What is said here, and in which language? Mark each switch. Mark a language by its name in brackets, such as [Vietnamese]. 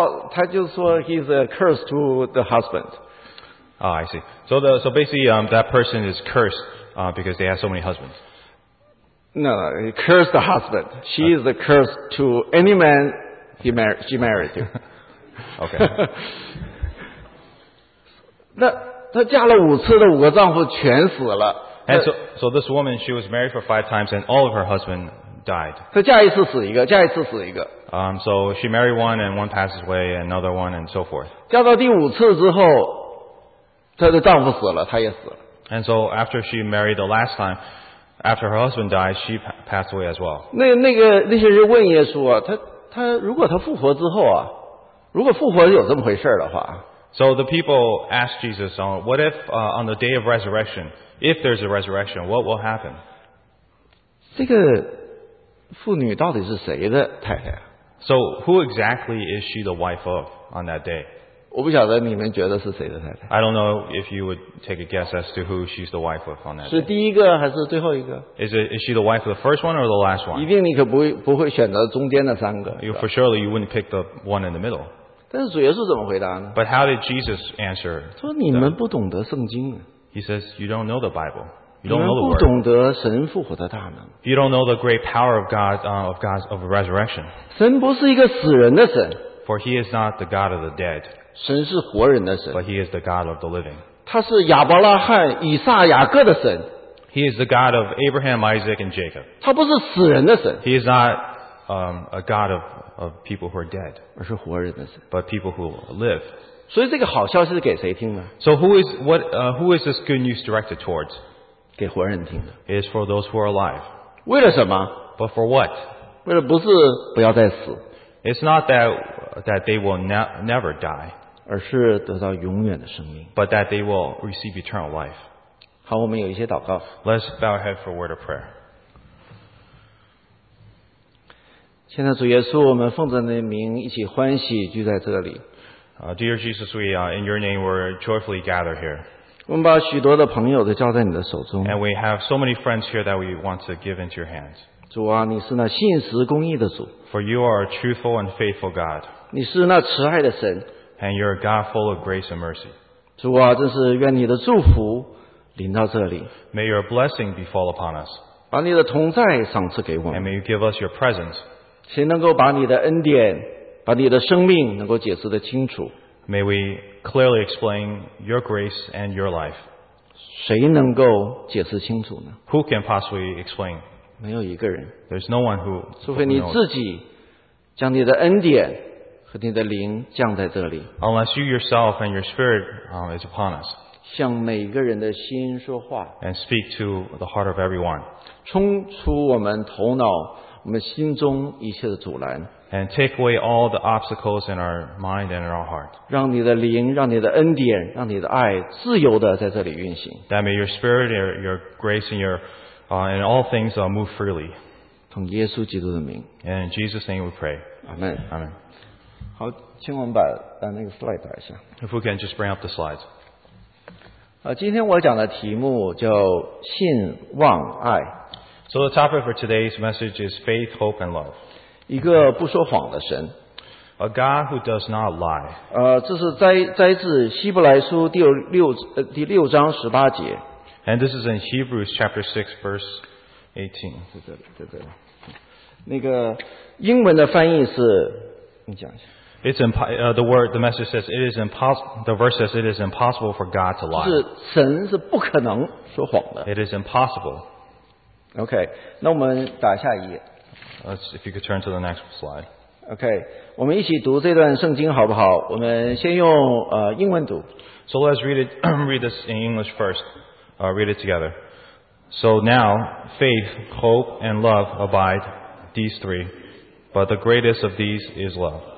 [Chinese] 他就说 [English] he's a curse to the husband. Oh, I see. So basically, that person is cursed. Because they have so many husbands. No, he cursed the husband. She is a curse to any man she married to. Okay. [Chinese] 那她嫁了五次的五个丈夫全死了。 [English] And so this woman, she was married for five times and all of her husband died. [Chinese] 她嫁一次死一个，嫁一次死一个。 [English] So she married one and one passes away, another one and so forth. [Chinese] 嫁到第五次之后，她的丈夫死了，她也死了。 [English] And so after she married the last time, after her husband died, she passed away as well. [Chinese] 那些人问耶稣啊，他如果他复活之后啊，如果复活有这么回事的话。 [English] So the people asked Jesus, what if on the day of resurrection, if there's a resurrection, what will happen? [Chinese] 这个妇女到底是谁的太太啊？ [English] So who exactly is she the wife of on that day? [Chinese] 我不晓得你们觉得是谁的太太。 [English] I don't know if you would take a guess as to who she's the wife of on that. [Chinese] 是第一个还是最后一个 [English] ？Is she the wife of the first one or the last one？ [Chinese] 一定你可不会选择中间的三个。 [English] You for surely you wouldn't pick the one in the middle. [Chinese] 但是主耶稣怎么回答呢 [English] ？But how did Jesus answer？ [Chinese] 说你们不懂得圣经。 [English] He says you don't know the Bible. You don't know the word. [Chinese] 你们不懂得神复活的大能。 [English] You don't know the great power of God of resurrection. [Chinese] 神不是一个死人的神。 [English] For he is not the God of the dead. [Chinese] 神是活人的神 [English] But he is the God of the living. [Chinese] 他是亚伯拉罕以撒雅各的神 [English] He is the God of Abraham, Isaac, and Jacob. [Chinese] 他不是死人的神 [English] He is not a God of people who are dead. [Chinese] 而是活人的神 [English] But people who live. [Chinese] 所以这个好消息是给谁听的？ [English] So who is this good news directed towards? [Chinese] 给活人听的。 [English] It is for those who are alive. [Chinese] 为了什么？ [English] But for what? [Chinese] 为了不是不要再死。 [English] It's not that they will never die. [Chinese] 而是得到永远的生命。 [English] But that they will receive eternal life. [Chinese] 好，我们有一些祷告。 [English] Let's bow our head for a word of prayer. [Chinese] 现在主耶稣，我们奉着你的名一起欢喜聚在这里。 [English] Dear Jesus, we in your name we're joyfully gather here. [Chinese] 我们把许多的朋友都交在你的手中。 [English] And we have so many friends here that we want to give into your hands. [Chinese] 主啊，你是那信实公义的主。 [English] For you are a truthful and faithful God. [Chinese] 你是那慈爱的神。 [English] And you're a God full of grace and mercy. [Chinese] 主啊，真是愿你的祝福临到这里。 [English] May your blessing befall upon us. [Chinese] 把你的同在赏赐给我们。 [English] And may you give us your presence. [Chinese] 谁能够把你的恩典把你的生命能够解释得清楚 [English] May we clearly explain your grace and your life [Chinese] 谁能够解释清楚呢 [English] Who can possibly explain [Chinese] 没有一个人 [English] There's no one who [Chinese] 除非你自己将你的恩典和你的灵降在这里 [English] Unless you yourself and your spirit is upon us [Chinese] 向每个人的心说话 [English] And speak to the heart of everyone [Chinese] 冲出我们头脑我们心中一切的阻拦 [English] and take away all the obstacles in our mind and in our heart [Chinese] 让你的灵让你的恩典让你的爱自由地在这里运行 [English] that may your spirit your grace and and all things move freely [Chinese] 奉耶稣基督的名 [English] and in Jesus name we pray Amen. Amen [Chinese] 好请我们把那个 slide 打一下 [English] if we can just bring up the slides [Chinese] 今天我讲的题目叫信望爱 [English] So the topic for today's message is faith, hope, and love. [Chinese] 一个不说谎的神。 [English] A God who does not lie. [Chinese] 这是摘自希伯来书第六章十八节。 [English] And this is in Hebrews chapter 6 verse 18. [Chinese] 在这里，在这里。那个英文的翻译是，你讲一下。 [English] It's the word, the message says, it is impossible, the verse says, it is impossible for God to lie. [Chinese] 是神是不可能说谎的。 [English] It is impossible. [Chinese] OK, 那我们打下一页。 [English] If you could turn to the next slide. [Chinese] OK, 我们一起读这段圣经好不好？我们先用英文读。 [English] So let's read this in English first. Read it together. So now, faith, hope, and love abide, these three. But the greatest of these is love.